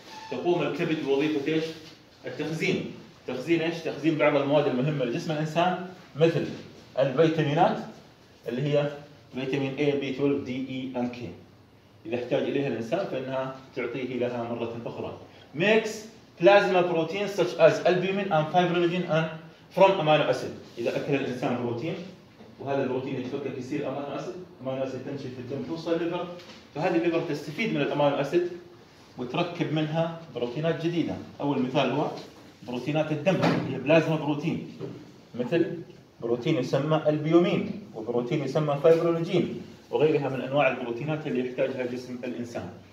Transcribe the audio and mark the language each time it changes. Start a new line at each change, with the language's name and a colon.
Arabic: تقوم الكبد بوظيفه ايش؟ التخزين. تخزين ايش؟ تخزين بعض المواد المهمه لجسم الانسان مثل الفيتامينات اللي هي فيتامين A B12 D E and K. اذا احتاج اليها الانسان فانها تعطيه لها مره اخرى.
English: Makes plasma proteins such as albumin and fibrinogen and from amino acid.
Arabic: اذا اكل الانسان بروتين وهذا البروتين يتفكك يصير امانو اسيد، امانو اسيد تمشي في الدم توصل الليفر، فهذه الليفر تستفيد من الامانو اسيد وتركب منها بروتينات جديده. اول مثال هو بروتينات الدم هي بلازما بروتين، مثل بروتين يسمى البيومين وبروتين يسمى فايبرولوجين وغيرها من انواع البروتينات اللي يحتاجها جسم الانسان.